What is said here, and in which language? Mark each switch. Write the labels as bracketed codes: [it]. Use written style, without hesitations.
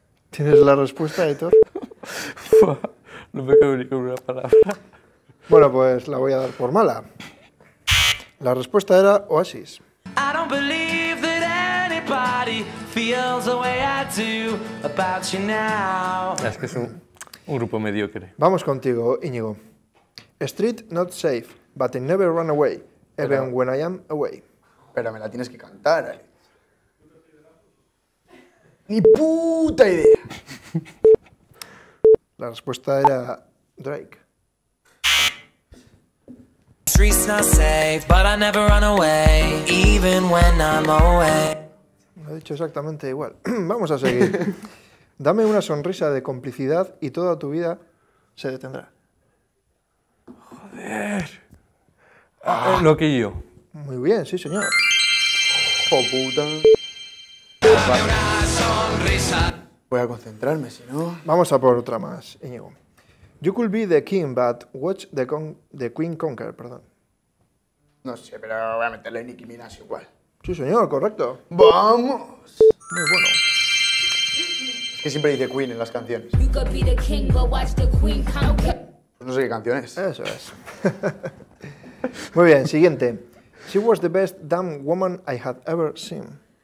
[es] ¿Tienes la respuesta, Aitor? No me quedo ni con una palabra. Bueno, pues la voy a dar por mala. La respuesta era Oasis. [en] I don't believe that anybody feels the way I do about you now. [es] Es que es un grupo mediocre. Vamos contigo, Íñigo. [en] Street not safe, but I never run away, even when I am away. [es] Pero me la tienes que cantar, Alex. ¡Ni puta idea! La respuesta era Drake. [en] Streets not safe, but I never run away, even when I'm away. [es] Lo he dicho exactamente igual. Vamos a seguir. Dame una sonrisa de complicidad y toda tu vida se detendrá. Joder. Ah, lo que yo. Muy bien, sí, señor. Oh, puta. Voy a concentrarme, si no... Vamos a por otra más, Íñigo. [en] You could be the king, but watch the queen conquer, perdón. [es] No sé, pero voy a meterle Nicki Minaj igual. Sí, señor, correcto. ¡Vamos! Muy bueno. Es que siempre dice queen en las canciones. [en] You could be the king, but watch the queen conquer. [es] Pues no sé qué canción es. Eso es. Muy bien, siguiente. [en] She was the best damn woman I had ever seen.